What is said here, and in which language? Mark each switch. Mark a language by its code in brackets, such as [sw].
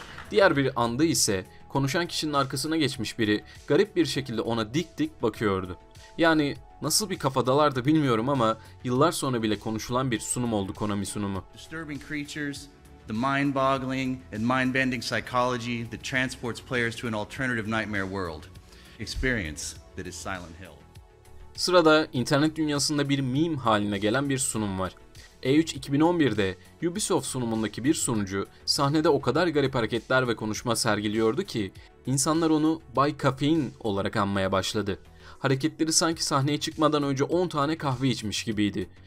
[tr] Diğer bir anda ise konuşan kişinin arkasına geçmiş biri garip bir şekilde ona dik dik bakıyordu. Yani nasıl bir kafadalardı bilmiyorum ama yıllar sonra bile konuşulan bir sunum oldu Konami sunumu. [en] Disturbing creatures, the mind-boggling and mind-bending psychology that transports players to an alternative nightmare world. Experience that is Silent Hill. [tr] Sırada internet dünyasında bir meme haline gelen bir sunum var. E3 2011'de Ubisoft sunumundaki bir sunucu sahnede o kadar garip hareketler ve konuşma sergiliyordu ki insanlar onu Bay Caffeine olarak anmaya başladı. Hareketleri sanki sahneye çıkmadan önce 10 tane kahve içmiş gibiydi.